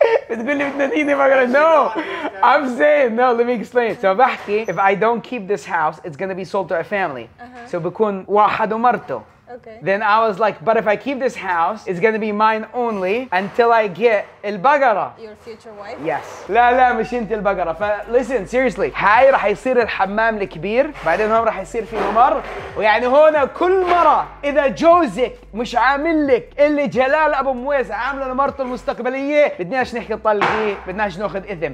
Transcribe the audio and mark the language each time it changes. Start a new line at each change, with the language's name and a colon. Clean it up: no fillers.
Arabic: بتقولي بتنديني بقرة؟
English: No. I'm saying no. Let me explain. So بحكي if I don't keep this house, it's gonna be sold to a family.
Arabic: So بكون واحد ومرته.
English: Okay. Then I was like, but if I keep this house, it's gonna be mine only until I get
Arabic: البقرة.
English: Your future wife. Yes.
Arabic: لا لا مش أنت البقرة. ف
English: listen seriously.
Arabic: هاي راح يصير الحمام الكبير. بعدين هم راح يصير في ممر. ويعني هنا كل مرة إذا جوزك مش عامل لك اللي جلال أبو مويز عامله لمرته المستقبلية بدناش نحكي طلقيه، بدناش نأخذ إثم.